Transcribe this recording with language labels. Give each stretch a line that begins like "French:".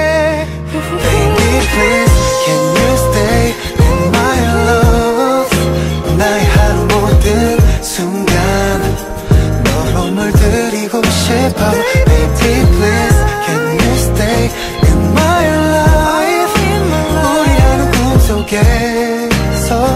English: Baby please, can you stay in my love?
Korean: 나의 하루 모든 순간 너로 물들이고 싶어.
English: Baby please, can you stay in my life?
Korean: 우리라는 꿈속에서